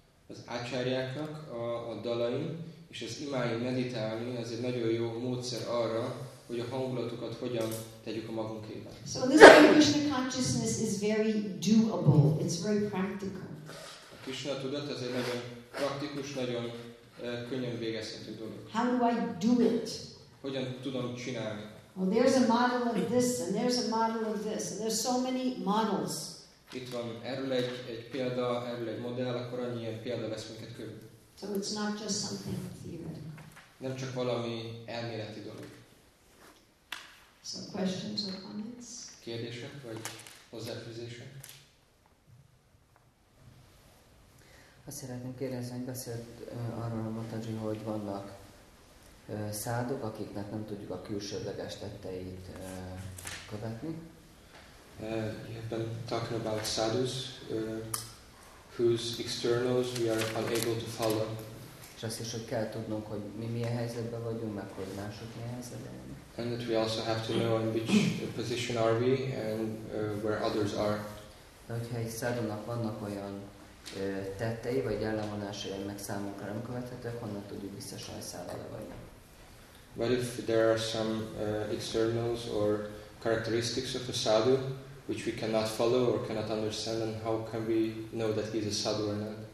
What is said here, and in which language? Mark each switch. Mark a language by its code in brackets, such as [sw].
[hu] Az ácsáriáknak a dalai és az imái meditálni az egy nagyon jó módszer arra, hogy a hangulatokat hogyan tegyük a magunkévá. [en] So this Krishna consciousness is very doable. It's very practical. [hu] A Krishna tudat az egy nagyon praktikus, nagyon könnyen végezhető dolog. [en] How do I do it? [hu] Hogyan tudom csinálni? [en] Well, there's a model of this, and there's a model of this, and there's so many models. [hu] Itt van erről egy példa, erről egy modell, akkor annyi ilyen példa vesz minket körül. [en] So it's not just something theoretical. [hu] Nem csak valami elméleti dolog. [en] So questions or comments? [hu] Kérdések vagy hozzáfűzések? Azt szeretném kérdezni, hogy beszélt arról a Mataji, hogy vannak szádok, akiknek nem tudjuk a külsődleges tetteit követni. [en] You have been talking about sadhus whose externals we are unable to follow. [hu] És azt is, hogy kell tudnunk, hogy mi milyen helyzetben vagyunk, meg hogy mások milyen helyzetben vagyunk. [en] And that we also have to know in which position are we and where others are. [hu] De hogyha egy szádunknak vannak olyan tettei, vagy ellenvonásai, meg számunkra nem követhetők, honnan tudjuk biztos, hogy szállal vagyunk. [en] But if there are some externals or characteristics of a sadhu which we cannot follow or cannot understand, then how can we know that he is a sadhu or not?